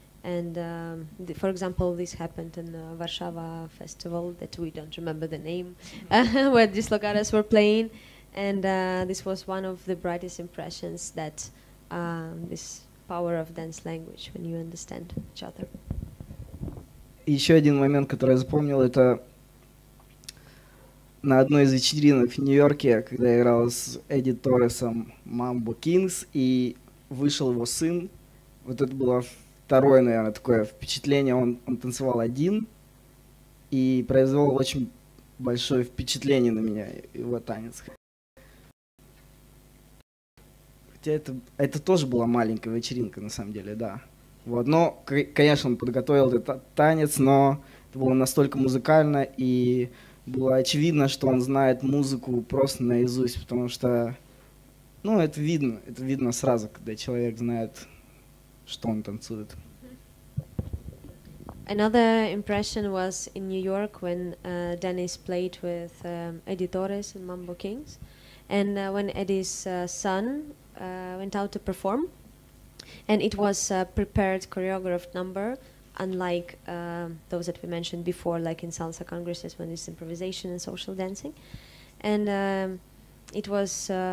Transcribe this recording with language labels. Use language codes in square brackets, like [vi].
[en] And for example, this happened in the Warszawa festival that we don't remember the name, where these Dislocadas were playing, and this was one of the brightest impressions, that this power of dance language when you understand each other. [ru] Еще один момент, который я запомнил, это на одной из вечеринок в Нью-Йорке, когда я играл с Эдди Торресом Мамбо Кингс, и вышел его сын. Вот это было второе, наверное, такое впечатление. Он танцевал один и произвел очень большое впечатление на меня, его танец. Хотя это тоже была маленькая вечеринка, на самом деле, да. Вот, но, конечно, он подготовил этот танец, но Это было настолько музыкально, и было очевидно, что он знает музыку просто наизусть, потому что, ну, это видно сразу, когда человек знает, что он танцует. [en] Another impression was in New York when Dennis played with Eddie Torres in Mambo Kings, and when Eddie's son went out to perform, and it was a prepared choreographed number, unlike those that we mentioned before, like in salsa congresses when it's improvisation and social dancing, and it was